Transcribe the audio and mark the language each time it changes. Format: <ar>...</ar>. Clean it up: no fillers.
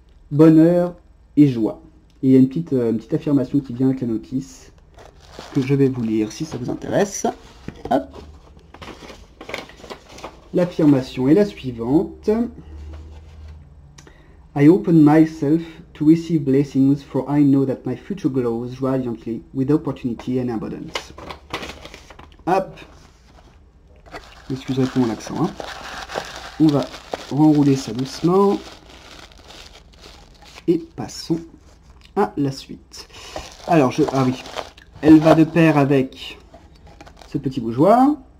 <fr>Bonheur et joie. Et il y a une petite affirmation qui vient avec la notice que je vais vous lire si ça vous intéresse. Hop. L'affirmation est la suivante.</fr> <en>I open myself to receive blessings, for I know that my future glows radiantly with opportunity and abundance. Hop.</en> <fr>Excusez pour mon accent. Hein. On va enrouler ça doucement. Et passons à la suite. Ah oui. Elle va de pair avec ce petit bougeoir.</fr>